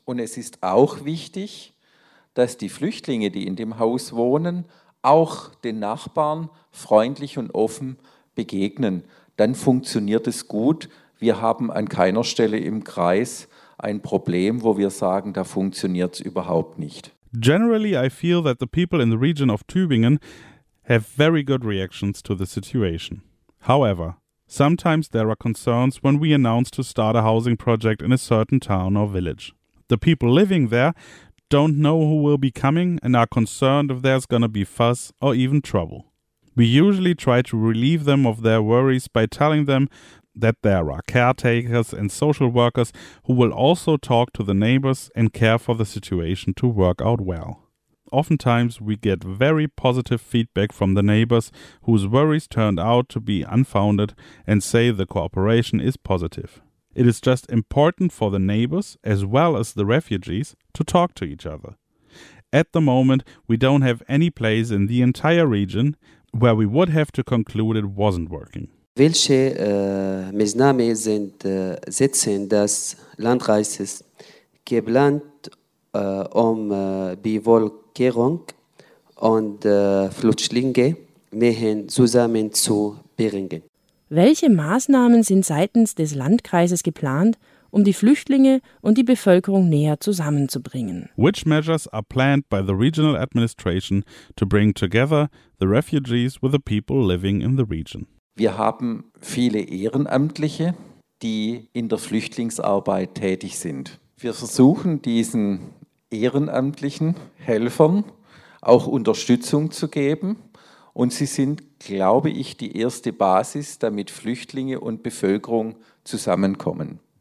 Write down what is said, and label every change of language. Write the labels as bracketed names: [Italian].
[German] Und es ist auch wichtig, dass die Flüchtlinge, die in dem Haus wohnen, auch den Nachbarn freundlich und offen begegnen. Dann funktioniert es gut. Wir haben an keiner Stelle im Kreis ein Problem, wo wir sagen, da funktioniert es überhaupt nicht. [English] Generally, I feel that the people in the region of Tübingen have very good reactions to the situation. However, sometimes there are concerns when we announce to start a housing project in a certain town or village. The people living there don't know who will be coming and are concerned if there's gonna be fuss or even trouble. We usually try to relieve them of their worries by telling them that there are caretakers and social workers who will also talk to the neighbors and care for the situation to work out well. Oftentimes, we get very positive feedback from the neighbors whose worries turned out to be unfounded and say the cooperation is positive. It is just important for the neighbors as well as the refugees to talk to each other. At the moment, we don't have any place in the entire region where we would have to conclude it wasn't working. [German] Welche Maßnahmen sind setzen das Landkreises geplant, um Bevölkerung und Flüchtlinge näher zusammen zu bringen? Welche Maßnahmen sind seitens des Landkreises geplant, um die Flüchtlinge und die Bevölkerung näher zusammenzubringen? [English] Which measures are planned by the regional administration to bring together the refugees with the people living in the region? [German] Wir haben viele Ehrenamtliche, die in der Flüchtlingsarbeit tätig sind. Wir versuchen diesen ehrenamtlichen Helfern auch Unterstützung zu geben. Und sie sind, glaube ich, die erste Basis, damit Flüchtlinge und Bevölkerung zusammenkommen.